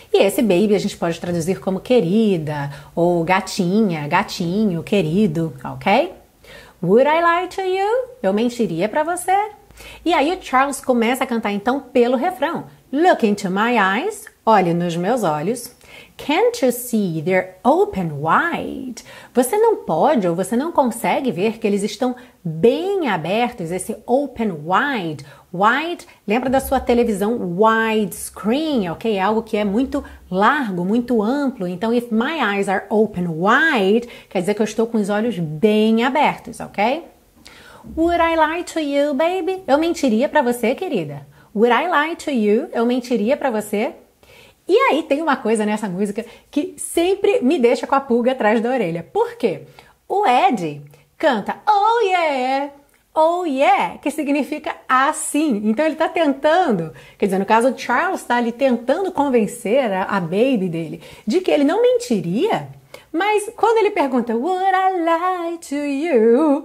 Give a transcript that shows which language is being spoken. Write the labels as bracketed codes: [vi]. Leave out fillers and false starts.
[pt] E esse baby a gente pode traduzir como querida, ou gatinha, gatinho, querido, ok? [en] Would I lie to you? [pt] Eu mentiria pra você? E aí o Charles começa a cantar, então, pelo refrão. [en] Look into my eyes, [pt] olhe nos meus olhos. [en] Can't you see they're open wide? [pt] Você não pode ou você não consegue ver que eles estão bem abertos, esse [en] open wide. [pt] Wide, lembra da sua televisão widescreen, ok? Algo que é muito largo, muito amplo. Então, [en] if my eyes are open wide, [pt] quer dizer que eu estou com os olhos bem abertos, ok? [en] Would I lie to you, baby? [pt] Eu mentiria pra você, querida. [en] Would I lie to you? [pt] Eu mentiria pra você. E aí tem uma coisa nessa música que sempre me deixa com a pulga atrás da orelha. Por quê? O Ed canta [en] oh yeah, oh yeah, [pt] que significa assim. Então ele tá tentando, quer dizer, no caso o Charles tá ali tentando convencer a baby dele de que ele não mentiria. Mas quando ele pergunta, [en] would I lie to you?